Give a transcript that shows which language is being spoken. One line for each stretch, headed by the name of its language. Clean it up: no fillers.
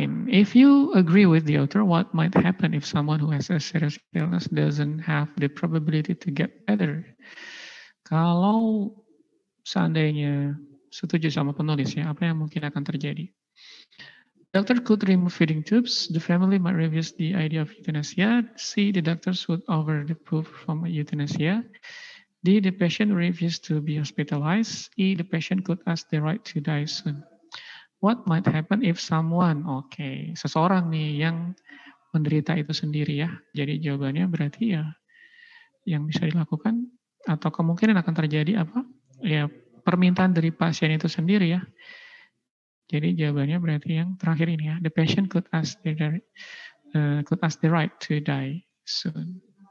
English: If you agree with the author, what might happen if someone who has a serious illness doesn't have the probability to get better?
Indonesian: Kalau seandainya setuju sama penulis ya, apa yang mungkin akan terjadi?
English: Doctor could remove feeding tubes. The family might refuse the idea of euthanasia. C, the doctors would offer the proof from euthanasia. D, the patient refused to be hospitalized. E, the patient could ask the right to die soon. What might happen if someone,
Indonesian: okay, seseorang nih yang menderita itu sendiri ya. Jadi jawabannya berarti ya yang bisa dilakukan atau kemungkinan akan terjadi apa? Ya permintaan dari pasien itu sendiri ya. Jadi jawabannya berarti yang terakhir ini ya.
English: The patient could ask the right to die soon.